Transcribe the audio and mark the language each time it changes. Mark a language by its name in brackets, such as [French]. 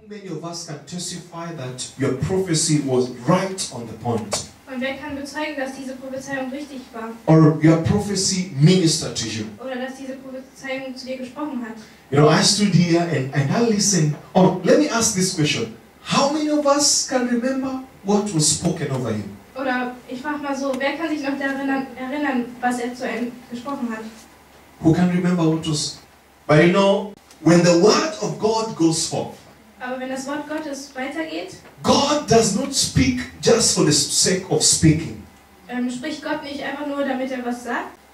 [English] of us can testify that your prophecy was right on the point. [German] Und wer kann bezeugen, dass diese Prophezeiung richtig war? [English] Or your prophecy ministered to you? [German] Oder dass diese Prophezeiung zu dir gesprochen hat? [English] You know, I stood here and I listened. Oh, let me ask this question. How many of us can remember what was spoken over you? [German] Oder ich frage mal so, wer kann sich noch daran erinnern, was zu einem gesprochen hat? [English] Who can remember what was... But you know, when the word of God goes forth, [German] aber wenn das Wort Gottes weitergeht, [English] God does not speak just for the sake of speaking. [German] Spricht Gott nicht einfach nur, damit was sagt?